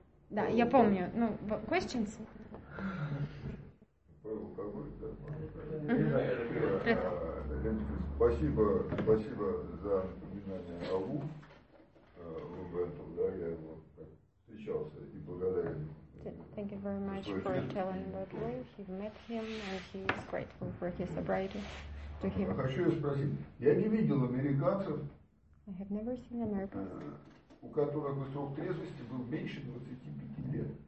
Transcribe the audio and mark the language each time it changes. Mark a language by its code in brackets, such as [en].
[ru] Да, я помню. Ну, questions? Спасибо за упоминание о Лу, Роберту, да, я его встречался и благодарен. [en] Thank you very much for telling about Lu. He met him and he is grateful for his sobriety to him. [ru] Хочу спросить, я не видел американцев. [en] I have never seen Americans. [ru] У которых бы срок трезвости был меньше 25 лет.